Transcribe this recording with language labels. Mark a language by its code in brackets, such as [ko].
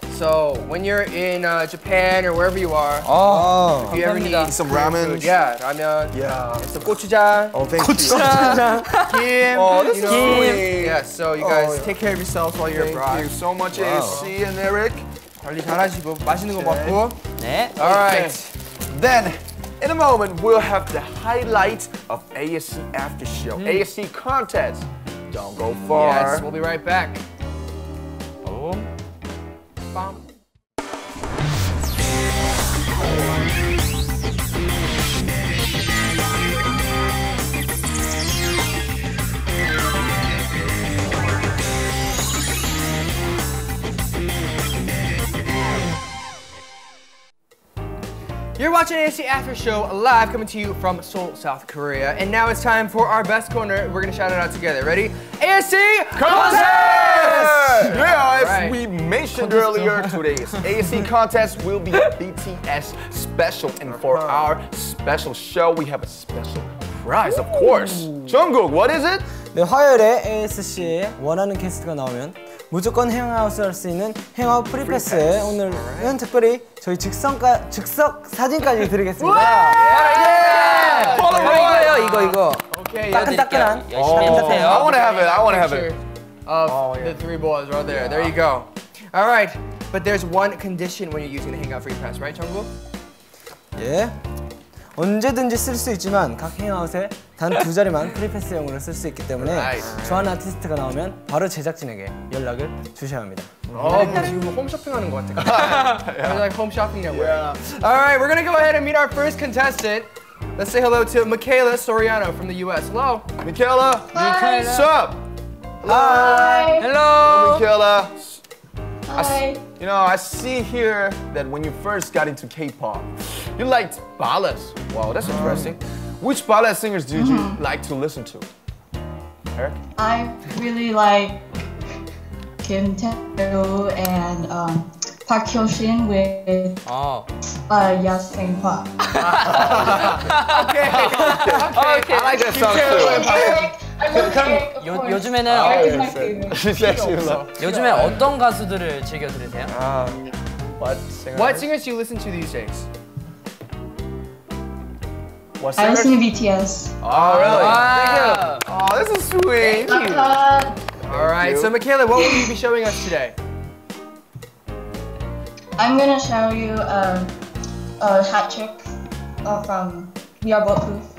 [en] So when you're in Japan or wherever you are, if you ever need some ramen, yeah, ramen. Yeah. Some gochujang. Oh, thank you. Gochujang. Kim. Oh, this is sweet. Yeah. So you guys take care of yourselves while you're abroad. Thank you so much, AC and Eric. [ko] 관리 잘하시고 맛있는 거 먹고. 네. [en] All right. Then, in a moment, we'll have the highlight of ASC After Show, ASC Contest. Don't go far. Yes, we'll be right back. Oh. Bam. You're watching ASC After Show live, coming to you from Seoul, South Korea. And now it's time for our best corner. We're gonna shout it out together. Ready? ASC Contest! Yeah, as we mentioned earlier, today's ASC Contest will be a BTS special. And for our special show, we have a special prize, of course. Jungkook, what is it? [ko] 네, 화요일에 ASC에 원하는 게스트가 나오면 무조건 행아웃을 할 수 있는 행아웃 프리패스. 오늘은 특별히 저희 즉석 사진까지 드리겠습니다. 예! 바로 이거예요, 이거. 오케이. 따끈따끈한. 따끈따끈해요. [en] I want to have it. I want to have it. Of the three boys right there. There you go. All right. But there's one condition when you're using the hangout free pass, right, Jungkook? [ko] 예. 언제든지 쓸 수 있지만 각 행아웃에 단 두 자리만 프리패스용으로 쓸 수 있기 때문에 좋아하는 아티스트가 나오면 바로 제작진에게 연락을 주셔야 합니다. 지금 홈쇼핑하는 것 같아요. [en] Like home shopping network. All right, we're gonna go ahead and meet our first contestant. Let's say hello to Michaela Soriano from the U.S. Hello, Michaela. Hi. What's up? Hi. Hello, Michaela. Hi. You know, I see here that when you first got into K-pop, you liked ballads. Wow, that's interesting. Which ballad singers did you like to listen to? Eric? I really like Kim Tae-ho and Park Hyo-shin with Yes Sang Hwa. Okay. I like that song too. I love Kim, of course. [ko] 요즘에는 요즘에 어떤 가수들을 즐겨 들으세요? [en] What singers do you listen to these days? I listen to BTS. Oh, really? Wow. Thank you. Oh, this is sweet. Thank you. All right, so Michaela, what will you be showing us today? I'm gonna show you a hat trick from We Are Both Proof.